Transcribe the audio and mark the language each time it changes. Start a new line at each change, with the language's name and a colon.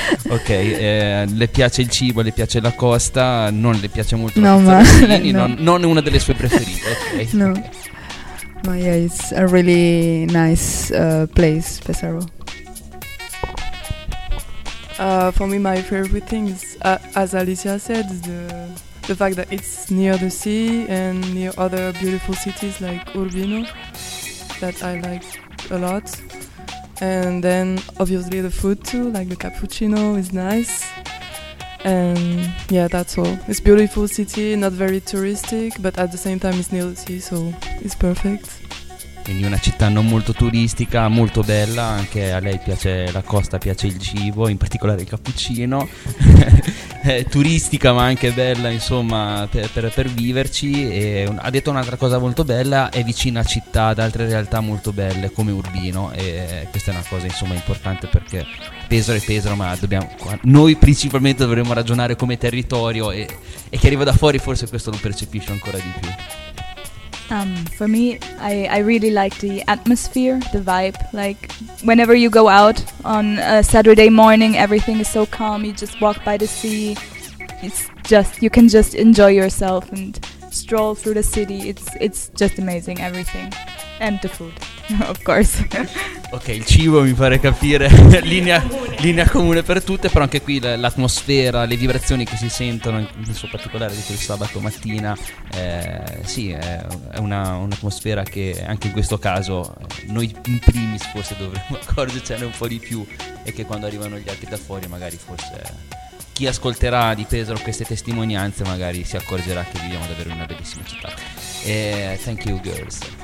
Italian: Ok, le piace il cibo, le piace la costa, non le piace molto no, la pizza Rossini, no. Non è una delle sue preferite, okay. No.
English: Ma yeah, it's a really nice place, Pesaro. For me, my favorite thing is, as Alicia said, the fact that it's near the sea and near other beautiful cities like Urbino, that I like a lot. And then, obviously, the food too, like the cappuccino is nice. And yeah, that's all. It's a beautiful city, not very touristic, but at the same time it's near the sea, so it's perfect.
Italian: Quindi una città non molto turistica, molto bella, anche a lei piace la costa, piace il cibo, in particolare il cappuccino. Turistica ma anche bella, insomma, per viverci. E ha detto un'altra cosa molto bella: è vicina a città, ad altre realtà molto belle come Urbino, e questa è una cosa insomma importante, perché Pesaro è Pesaro, ma noi principalmente dovremmo ragionare come territorio, e chi arriva da fuori forse questo lo percepisce ancora di più.
English: For me, I really like the atmosphere, the vibe. Like, whenever you go out on a Saturday morning, everything is so calm. You just walk by the sea. It's just, you can just enjoy yourself and stroll through the city. It's just amazing, everything. And the food, of course.
Italian: Ok, il cibo mi pare capire, linea comune per tutte, però anche qui l'atmosfera, le vibrazioni che si sentono, in particolare di quel sabato mattina, sì, è un'atmosfera che anche in questo caso noi in primis forse dovremmo accorgercene un po' di più, e che quando arrivano gli altri da fuori magari forse chi ascolterà di Pesaro queste testimonianze magari si accorgerà che viviamo davvero in una bellissima città.
English: Thank you girls.